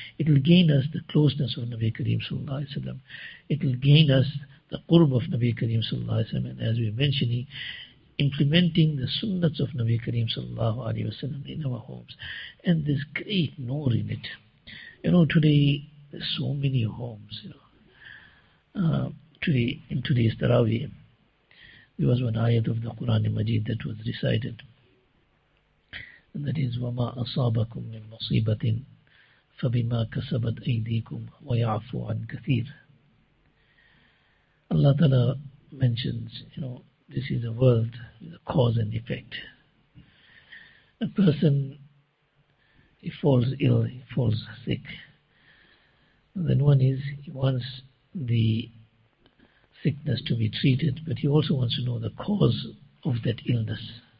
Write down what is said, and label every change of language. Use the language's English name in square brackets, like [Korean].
[English] It will gain us the closeness of Nabi Kareem Sallallahu Alaihi Wasallam. It will gain us the qurb of Nabi Kareem Sallallahu Alaihi Wasallam. And as we are mentioning, implementing the sunnats of Nabi Kareem Sallallahu Alaihi Wasallam in our homes. And this great noor in it. You know, today, there's so many homes, you know. Today, in today's Taraweeh, there was one ayat of the Qur'an Majeed that was recited. And that is, [Arabic] وَمَا أَصَابَكُم مِّن مُصِيبَةٍ فَبِمَا كَسَبَتْ أَيْدِيكُمْ وَيَعْفُوا عَنْ كَثِيرٍ. [English] Allah Ta'ala mentions, you know, this is a world, a cause and effect. A person, he falls ill, he falls sick. And then one is, he wants the sickness to be treated, but he also wants to know the cause of that illness.